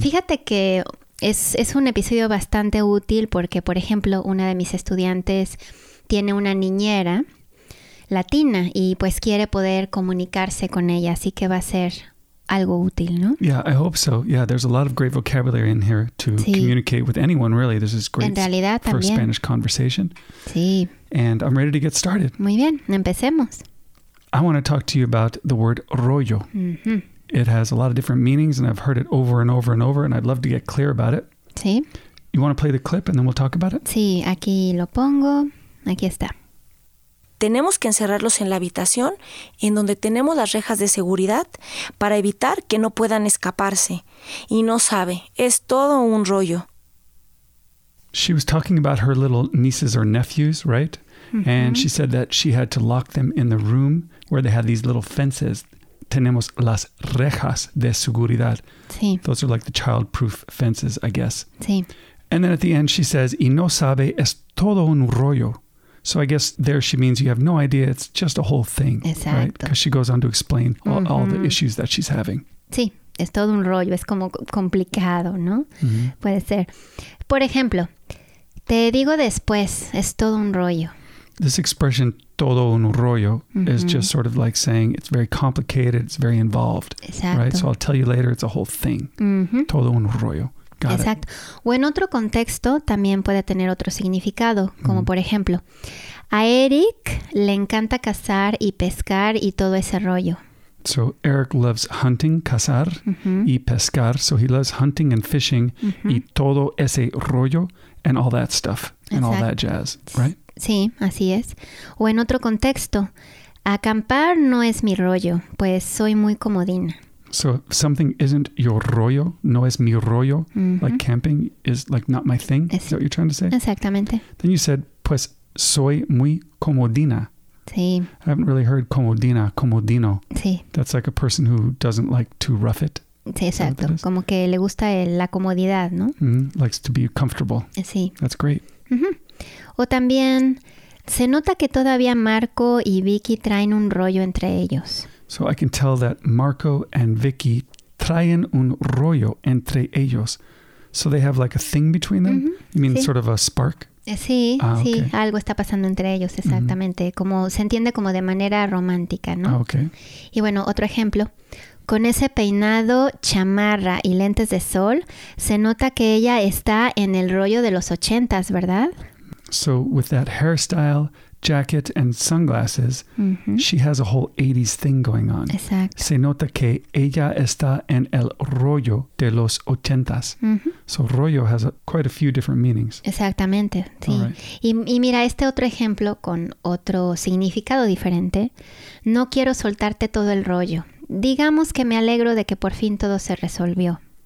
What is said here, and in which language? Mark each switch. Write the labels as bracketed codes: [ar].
[es] Fíjate que es un episodio bastante útil porque, por ejemplo, una de mis estudiantes tiene una niñera latina y pues quiere poder comunicarse con ella, así que va a ser algo útil, ¿no? [en] Yeah, I hope so. Yeah, there's a lot of great vocabulary in here to communicate with anyone, really. This is great [es] en realidad, también. [en] For a Spanish conversation. [es] Sí. [en] And I'm ready to get started. [es] Muy bien, empecemos. [en] I want to talk to you about the word rollo. Mm-hmm. It has a lot of different meanings, and I've heard it over and over and over, and I'd love to get clear about it. [es] Sí. [en] You want to play the clip, and then we'll talk about it? [es] Sí, aquí lo pongo. Aquí está. Tenemos que encerrarlos en la habitación, en donde tenemos las rejas de seguridad, para evitar que no puedan escaparse. Y no sabe, es todo un rollo. [en] She was talking about her little nieces or nephews, right? Mm-hmm. And she said that she had to lock them in the room where they had these little fences. [es] Tenemos las rejas de seguridad. Sí. [en] Those are like the child-proof fences, I guess. [es] Sí. [en] And then at the end she says, [es] y no sabe, es todo un rollo. [en] So I guess there she means you have no idea, it's just a whole thing. [es] Exacto. [en] Right? Because she goes on to explain all the issues that she's having. [es] Sí, es todo un rollo, es como complicado, ¿no? Mm-hmm. Puede ser. Por ejemplo, te digo después, es todo un rollo. [en] This expression, [es] todo un rollo, [en] is just sort of like saying it's very complicated, it's very involved. [es] Exacto. [en] Right? So I'll tell you later, it's a whole thing. Mm-hmm. [es] Todo un rollo. [en] Got [es] Exacto. [en] it. [es] O en otro contexto también puede tener otro significado, como por ejemplo, a Eric le encanta cazar y pescar y todo ese rollo. [en] So Eric loves hunting, [es] cazar y pescar. [en] So he loves hunting and fishing [es] y todo ese rollo [en] and all that stuff [es] Exacto. [en] and all that jazz, right? [es] Sí, así es. O en otro contexto, acampar no es mi rollo, pues soy muy comodina. [en] So if something isn't your rollo, [es] no es mi rollo, [en] like camping is like not my thing, [es] es, [en] is that what you're trying to say? [es] Exactamente. [en] Then you said, [es] pues soy muy comodina. Sí. [en] I haven't really heard comodina, comodino. [es] Sí. [en] That's like a person who doesn't like to rough it. [es] Sí, exacto. Como que le gusta la comodidad, ¿no? [en] Likes to be comfortable. [es] Sí. [en] That's great. [es] O también, se nota que todavía Marco y Vicky traen un rollo entre ellos. [en] So I can tell that Marco and Vicky [es] traen un rollo entre ellos. [en] So they have like a thing between them? You mean sort of a spark? [es] Sí, sí. [en] Okay. [es] Algo está pasando entre ellos, exactamente. [en] Mm-hmm. [es] Como se entiende como de manera romántica, ¿no? [en] Ah, okay. [es] Y bueno, otro ejemplo. Con ese peinado, chamarra y lentes de sol, se nota que ella está en el rollo de los ochentas, ¿verdad? [en] So, with that hairstyle, jacket, and sunglasses, she has a whole 80s thing going on. [es] Exacto. Se nota que ella está en el rollo de los ochentas. [en] So, rollo has quite a few different meanings. [es] Exactamente, sí. [en] Right. [es] Y mira, este otro ejemplo con otro significado diferente. No quiero soltarte todo el rollo. Digamos que me alegro de que por fin todo se resolvió.